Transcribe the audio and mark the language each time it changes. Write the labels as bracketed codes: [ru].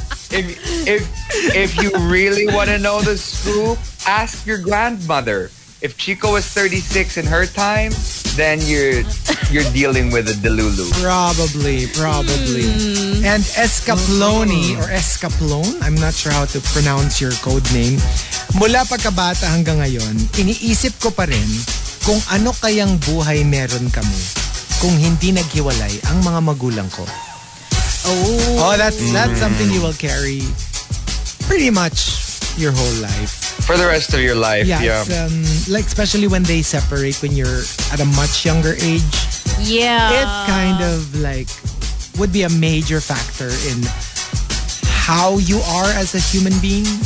[en] if you really want to know the scoop, ask your grandmother. If Chico was 36 in her time, then you're dealing with a delulu. Probably. Mm. And Escaploni, or Escaplone, I'm not sure how to pronounce your code name. [tl] Mula pagkabata hanggang ngayon, iniisip ko pa rin kung ano kayang buhay meron kami kung hindi naghiwalay ang mga magulang ko. [en] Oh, that's something you will carry pretty much your whole life. For the rest of your life, yes, yeah. Like especially when they separate when you're at a much younger age. Yeah. It kind of like would be a major factor in how you are as a human being.